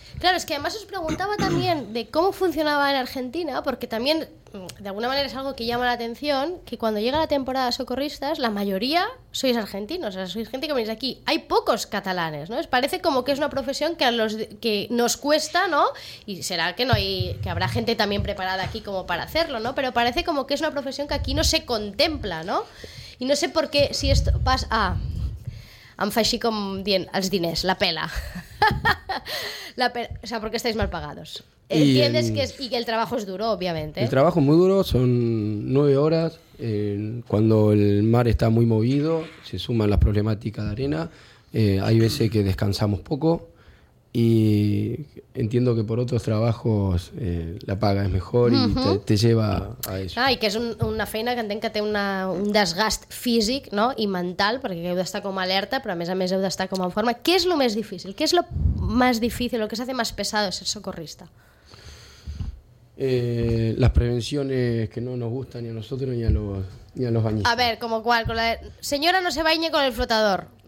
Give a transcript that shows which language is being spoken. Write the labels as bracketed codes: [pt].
[es] Claro, es que además os preguntaba también de cómo funcionaba en Argentina, porque también, de alguna manera, es algo que llama la atención, que cuando llega la temporada de socorristas, la mayoría sois argentinos, o sea, sois gente que venís de aquí. Hay pocos catalanes, ¿no? Parece como que es una profesión que que nos cuesta, ¿no? Y será que no hay, que habrá gente también preparada aquí como para hacerlo, ¿no? Pero parece como que es una profesión que aquí no se contempla, ¿no? Y no sé por qué, si esto pasa... [ca] Ah, em fa així com dient els diners, la pela. La pela. [es] O sea, porque estáis mal pagados. ¿Entiendes que el trabajo es duro, obviamente? El trabajo es muy duro, son 9 horas. Cuando el mar está muy movido, se suman las problemáticas de arena. Hay veces que descansamos poco. Y entiendo que por otros trabajos la paga es mejor y uh-huh, te lleva a eso. [ca] Ah, i que és una feina que entenc que té un desgast físic, no?, i mental, perquè heu d'estar com alerta, però a més heu d'estar com en forma. Què és el més difícil? Què és el més difícil, el que [es] s'hace [ca] més [es] pesado [ca] ser socorrista? [es] Las prevenciones que no nos gustan ni a nosotros ni a los bañistas. A ver, ¿como cuál? Señora, no se bañe con el flotador.